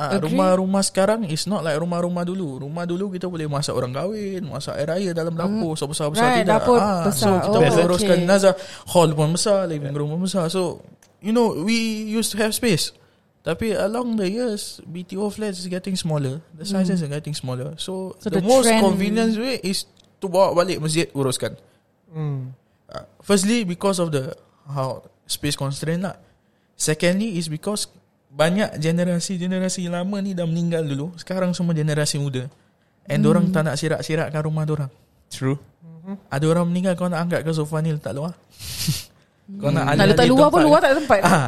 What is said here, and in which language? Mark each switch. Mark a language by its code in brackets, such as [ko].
[ms] Rumah-rumah sekarang [en] is not like [ms] rumah-rumah dulu. Rumah dulu kita boleh masak orang kahwin, masak air raya dalam dapur, so besar-besar [en] right, [ms] tidak. Dapur besar. So kita boleh uruskan jenazah. Hall pun besar, living room pun besar. [en] So you know we used to have space. Tapi along the years BTO flats is getting smaller. The sizes are getting smaller. So the most convenient way is to [ms] bawa balik masjid uruskan. [en] Firstly because of the how space constraint lah. Secondly is because [ms] banyak generasi-generasi lama ni dah meninggal dulu. Sekarang semua generasi muda. And diorang tak nak sirak-sirakkan rumah diorang. [en] True. [ms] Ada orang meninggal, kau nak angkat ke sofa ni letak luar? Kau nak alih letak luar pun luar tak tempat.